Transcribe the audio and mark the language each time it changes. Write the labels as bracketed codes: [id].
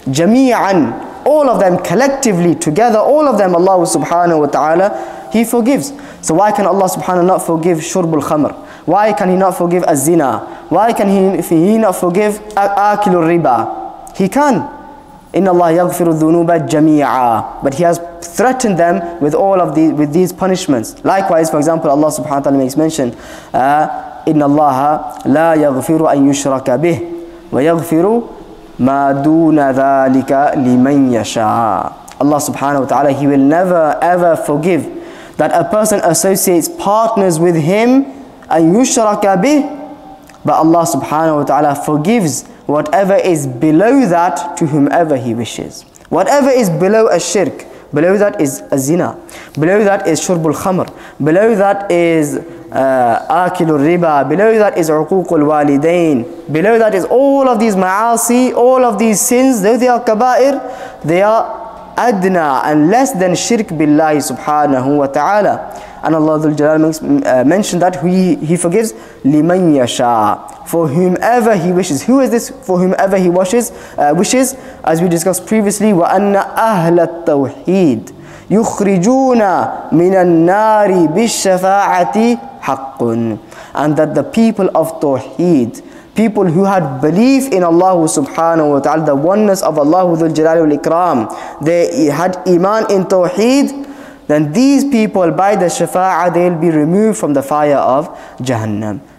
[en] جَمِيعًا, all of them collectively, together, all of them Allah subhanahu wa ta'ala, He forgives. So why can Allah subhanahu wa ta'ala not forgive [ar] شُرْبُ الْخَمْرِ? [en] Why can He not forgive الزِّنَا? Why can He not forgive [ar] أَكِلُ الرِّبَا? [en] He can. [ar] إن الله يغفر الذنوب جميعا. [en] But he has threatened them with all of these with these punishments. Likewise, for example, Allah [ar] سبحانه وتعالى [en] makes mention, [ar] إن الله لا يغفر أن يشرك به ويغفر ما دون ذلك لمن يشاء. [en] Allah [ar] سبحانه وتعالى, [en] he will never ever forgive that a person associates partners with him [ar] أن يشرك به. [en] But Allah subhanahu wa ta'ala forgives whatever is below that to whomever he wishes. Whatever is below a shirk, below that is a zina, below that is shurbul khamr, below that is akilul riba, below that is uququl walidain, below that is all of these ma'asi, all of these sins, though they are kabair, they are adna and less than shirk billahi subhanahu wa ta'ala. And Allah Dhul Jalal mentioned that he forgives [ar] لِمَنْ يَشَاءَ, [en] for whomever he wishes. Who is this for whomever he wishes? Wishes, as we discussed previously, [ar] وَأَنَّ أَهْلَ التَّوْحِيدِ يُخْرِجُونَ مِنَ النَّارِ بِالشَّفَاعَةِ حَقٌ. [en] And that the people of Tawheed, people who had belief in Allah subhanahu wa ta'ala, the oneness of Allah Dhul Jalal wal Ikram, they had iman in Tawheed, then these people, by the shafa'ah, they'll be removed from the fire of Jahannam.